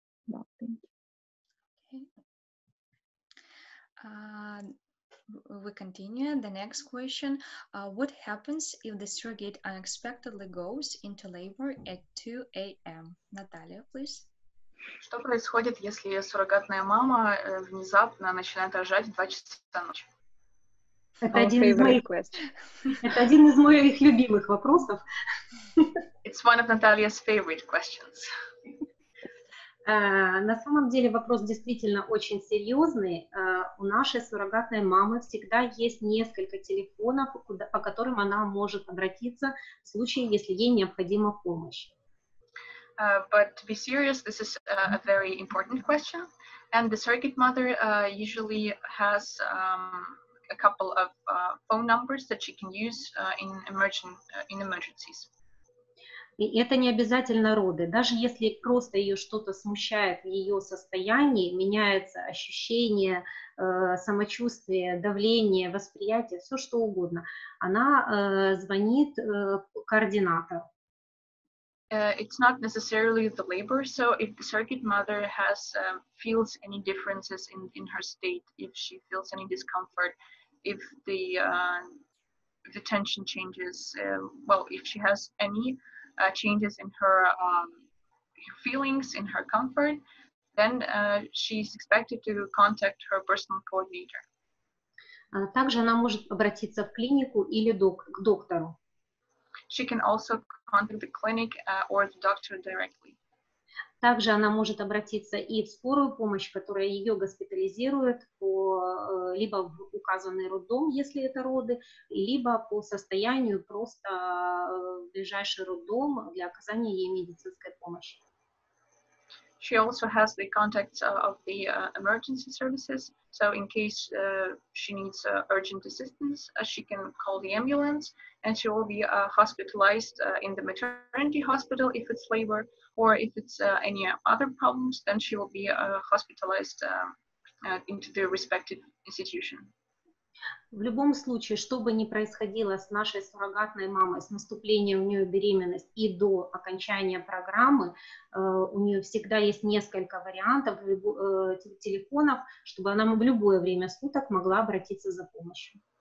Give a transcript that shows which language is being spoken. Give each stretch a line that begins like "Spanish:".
English: Thank you. We continue. The next question, what happens if the surrogate unexpectedly goes into labor at 2 a.m.? Наталья, please.
Russian: Что происходит, если суррогатная мама внезапно начинает рожать в 2 часа ночи? Это один из моих любимых вопросов.
English: It's one of Natalia's favorite questions.
Russian: На самом деле вопрос действительно очень серьезный. У нашей суррогатной мамы всегда есть несколько телефонов, куда, по которым она может обратиться в случае, если ей необходима помощь.
English: But to be serious, this is a very important question. And the surrogate mother usually has a couple of phone numbers that she can use in emergencies.
Russian: И это не обязательно роды. Даже если просто ее что-то смущает в ее состоянии, меняется ощущение, самочувствие, давление, восприятие, все что угодно, она звонит координатору.
English: It's not necessarily the labor. So if the surrogate mother has feels any differences in her state, if she feels any discomfort, if the tension changes, well, if she has any changes in her feelings, in her comfort, then she's expected to contact her personal coordinator.
Russian: Также она может обратиться в клинику или к доктору.
English: She can also contact the clinic or the doctor directly.
Russian: Также она может обратиться и в скорую помощь, которая ее госпитализирует, либо в указанный роддом, если это роды, либо по состоянию просто в ближайший роддом для оказания ей медицинской помощи.
English: She also has the contacts of the emergency services, so in case she needs urgent assistance, she can call the ambulance, and she will be hospitalized in the maternity hospital if it's labor, or if it's any other problems, then she will be hospitalized into the respective institution.
Russian: В любом случае, что бы ни происходило с нашей суррогатной мамой, с наступлением у нее беременности и до окончания программы, у нее всегда есть несколько вариантов телефонов, чтобы она в любое время суток могла обратиться за помощью.